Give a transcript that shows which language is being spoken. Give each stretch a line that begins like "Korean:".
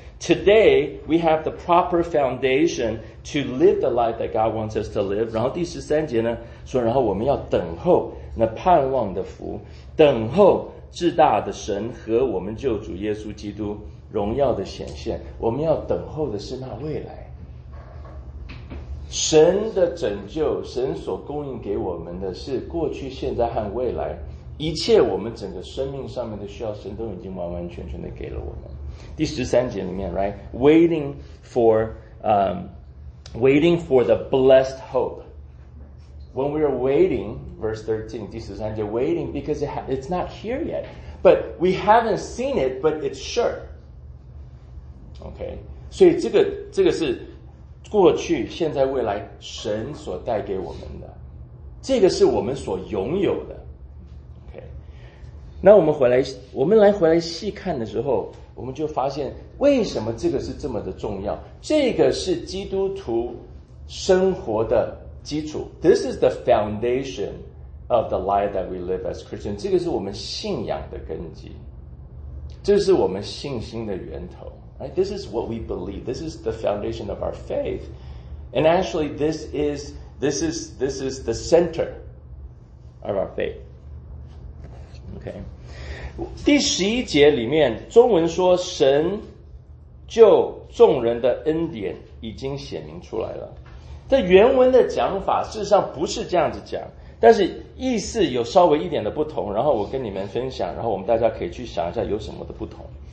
English: Today, we have the proper foundation to live the life that God wants us to live.
Chinese: 然后第十三节呢，说然后我们要等候那盼望的福，等候至大的神和我们救主耶稣基督荣耀的显现。我们要等候的是那未来。神的拯救，神所供应给我们的是过去、现在和未来。一切我们整个生命上面的需要，神都已经完完全全的给了我们。第十三节里面
English: ，right, waiting for the blessed hope. When we are waiting, verse 13,
Chinese: 第十三节
English: ，waiting because it's not here yet, but we haven't seen it, but it's sure.
Chinese: Okay, 所以这个是过去、现在、未来神所带给我们的，这个是我们所拥有的。那我们来回来细看的时候，我们就发现为什么这个是这么的重要。这个是基督徒生活的基础。
English: This is the foundation of the life that we live as Christians.
Chinese: 这个是我们信仰的根基。这是我们信心的源头。
English: Right? This is what we believe. This is the foundation of our faith. And actually, this is the center of our faith. Okay.
Chinese: 第十一节里面中文说神救众人的恩典已经显明出来了，这原文的讲法事实上不是这样子讲，但是意思有稍微一点的不同，然后我跟你们分享，然后我们大家可以去想一下有什么的不同。